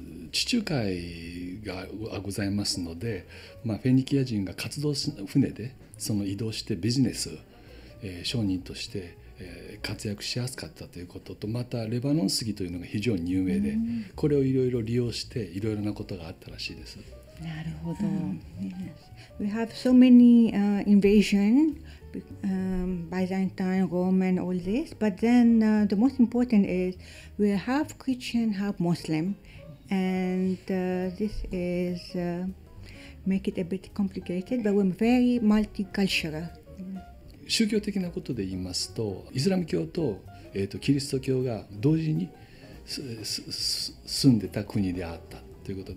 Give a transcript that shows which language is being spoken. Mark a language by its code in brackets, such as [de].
[ja] 地中海がございますので、フェニキア人が活動する船でその移動してビジネス、商人として、活躍しやすかったということと、またレバノン杉というのが非常に有名で、これをいろいろ利用していろいろなことがあったらしいです。なるほど。 [en] We have so many invasion Byzantine, Roman, all this, but then the most important is we have Christian, have Muslim. And this is make it a bit complicated, but we're very multicultural. [ja] 宗教的なことで言いますと、イスラム教と、キリスト教が同時に住んでた国であったということ。